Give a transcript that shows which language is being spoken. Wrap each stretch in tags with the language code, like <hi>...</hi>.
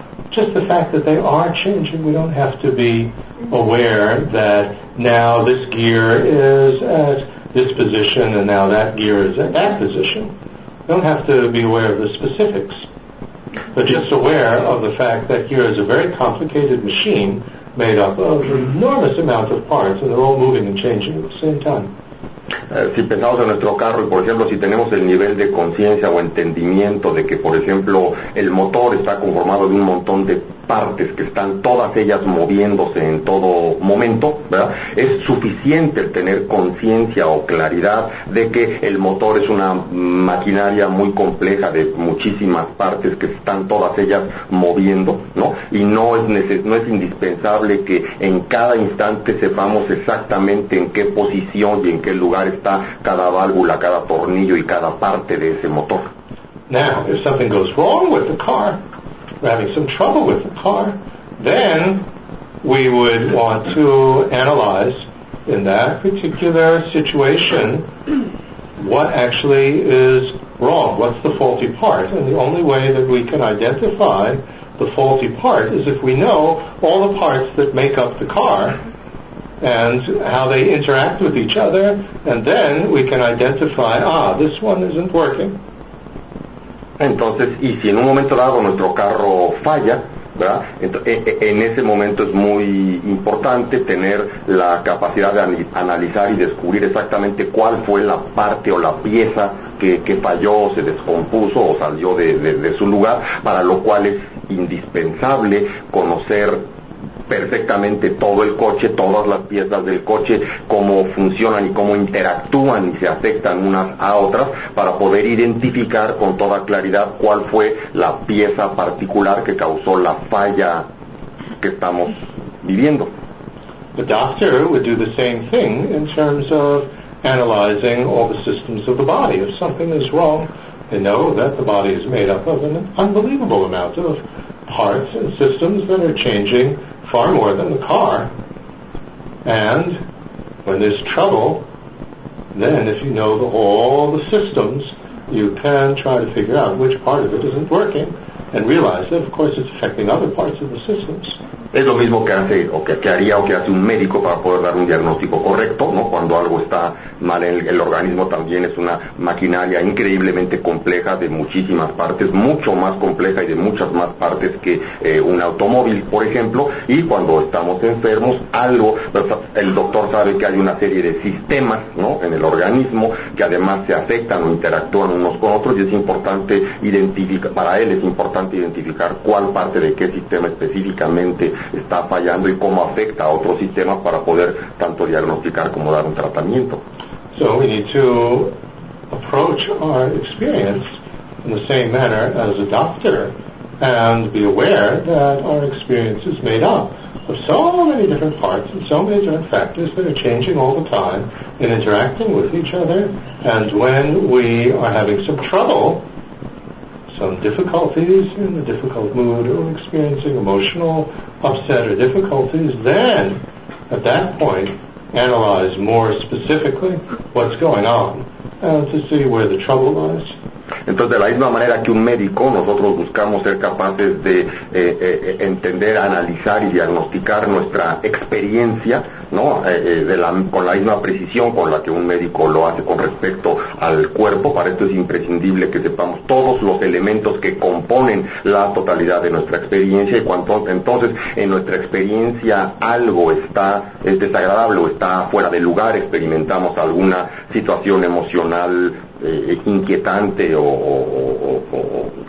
<en>Just the fact that they are changing, we don't have to be aware that now this gear is at this position and now that gear is at that position. We don't have to be aware of the specifics, but just aware of the fact that here is a very complicated machine made up of an enormous amount of parts and they're all moving and changing at the same time.</en> <es>Si pensamos en nuestro carro y, por ejemplo, si tenemos el nivel de conciencia o entendimiento de que, por ejemplo, el motor está conformado de un montón de partes que están todas ellas moviéndose en todo momento, ¿verdad? Es suficiente el tener conciencia o claridad de que el motor es una maquinaria muy compleja de muchísimas partes que están todas ellas moviendo, ¿no? Y no es indispensable que en cada instante sepamos exactamente en qué posición y en qué lugar está cada válvula, cada tornillo y cada parte de ese motor.</es> <en>Now, if something goes wrong with the car, we're having some trouble with the car, then we would want to analyze in that particular situation what actually is wrong, what's the faulty part. And the only way that we can identify the faulty part is if we know all the parts that make up the car and how they interact with each other, and then we can identify, ah, this one isn't working.</en> <es>Entonces, y si en un momento dado nuestro carro falla, ¿verdad? En ese momento es muy importante tener la capacidad de analizar y descubrir exactamente cuál fue la parte o la pieza que falló o se descompuso o salió de su lugar, para lo cual es indispensable conocer perfectamente todo el coche, todas las piezas del coche, cómo funcionan y cómo interactúan y se afectan unas a otras, para poder identificar con toda claridad cuál fue la pieza particular que causó la falla que estamos viviendo.</es> <en>The doctor would do the same thing in terms of analyzing all the systems of the body. If something is wrong, they know that the body is made up of an unbelievable amount of parts and systems that are changing far more than the car. And when there's trouble, then if you know all the systems, you can try to figure out which part of it isn't working and realize that, of course, it's affecting other parts of the systems.</en> <es>Es lo mismo que hace, o que haría, o que hace un médico para poder dar un diagnóstico correcto, ¿no? Cuando algo está mal en el organismo, también es una maquinaria increíblemente compleja de muchísimas partes, mucho más compleja y de muchas más partes que un automóvil, por ejemplo. Y cuando estamos enfermos, el doctor sabe que hay una serie de sistemas, ¿no?, en el organismo, que además se afectan o interactúan unos con otros, y es importante identificar, para él es importante identificar cuál parte de qué sistema específicamente está fallando y cómo afecta a otros sistemas para poder tanto diagnosticar como dar un tratamiento.</es> <en>So we need to approach our experience in the same manner as a doctor and be aware that our experience is made up of so many different parts and so many different factors that are changing all the time and interacting with each other. And when we are having some trouble, some difficulties in a difficult mood or experiencing emotional upset or difficulties, then at that point analyze more specifically what's going on to see where the trouble lies.</en> <es>Entonces, de la misma manera que un médico, nosotros buscamos ser capaces de entender, analizar y diagnosticar nuestra experiencia, ¿no? Con la misma precisión con la que un médico lo hace con respecto al cuerpo. Para esto es imprescindible que sepamos todos los elementos que componen la totalidad de nuestra experiencia. Y cuando entonces en nuestra experiencia algo es desagradable o está fuera de lugar, experimentamos alguna situación emocional inquietante o</es>